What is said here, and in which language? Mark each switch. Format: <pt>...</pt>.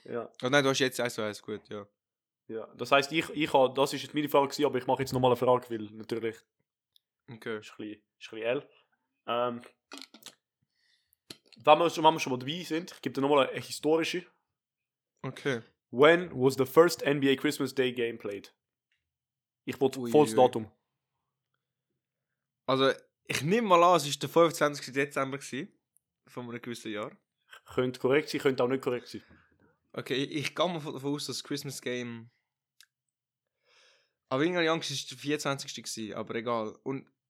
<de>Ja. Oh nein, du hast jetzt 1-1, gut, ja. Ja, das heisst, ich habe, das ist jetzt meine Frage gewesen, aber ich mache jetzt nochmal eine Frage, weil natürlich... Okay. Ist ein bisschen L. Wenn wir schon mal dabei sind, ich gebe dir nochmal eine historische. Okay.</de> <en>When was the first NBA Christmas Day game played?</en> <de>Ich wollte volles Datum. Also, ich nehme mal an, es war der 25. Dezember gewesen, von einem gewissen Jahr. Könnte korrekt sein, könnte auch nicht korrekt sein. Okay, ich gehe mal davon aus, dass das Christmas Game... Aber irgendwie Angst war es der 24. gewesen, aber egal. Und...</de>